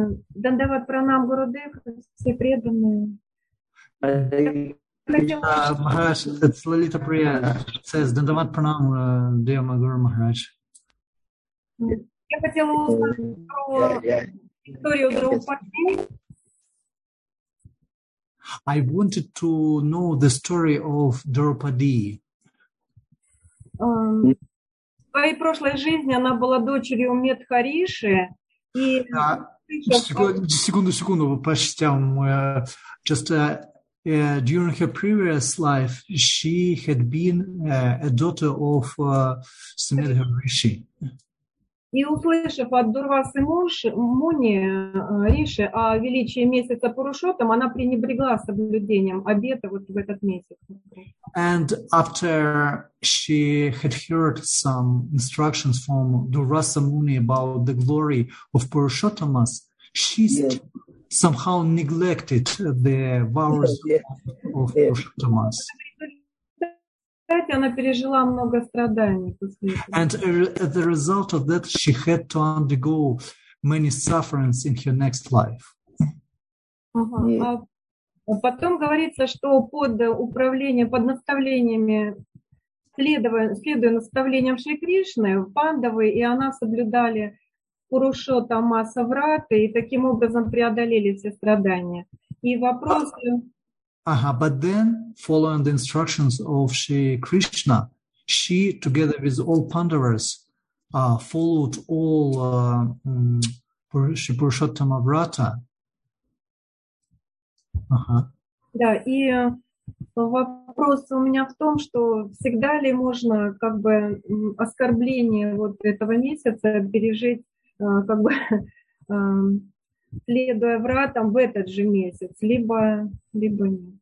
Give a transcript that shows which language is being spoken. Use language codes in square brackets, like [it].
[ru] Дандават Пранам Гурудев, все преданные. Махарадж, это Лалита Прия. [en] Says [ru] Дандават Пранам Дея Магур Махарадж. Я хотела узнать про историю Драупади. [en] I wanted to know the story of Draupadi. [ru] В своей прошлой жизни она была дочерью Медхариши. И... Секунду, простите, [en] during her previous life, she had been a daughter of Samedharishi. [ru] И услышав от Дурвасы Муни Риши о величии месяца Пурушоттам, она пренебрегла соблюдением обета вот в этот месяц. [en] And after she had heard some instructions from Durvasa Muni about the glory of Purushottamas, she somehow neglected the vows of Purushottamas. [ru] Кстати, она пережила много страданий. [en] And as a result of that, she had to undergo many sufferings in her next life. [ru] А потом говорится, что под управлением, под наставлениями, следуя наставлениям Шри Кришны, Пандавы и она соблюдали Пурушоттама Савраты и таким образом преодолели все страдания. И вопросы... [en] But then, following the instructions of Shri Krishna, she, together with all Pandavas, followed all Shri Purushottama Vrata. [ru] Да, и вопрос у меня в том, что всегда ли можно как бы оскорбление вот этого месяца пережить, как бы... следуя вратам в этот же месяц, либо нет.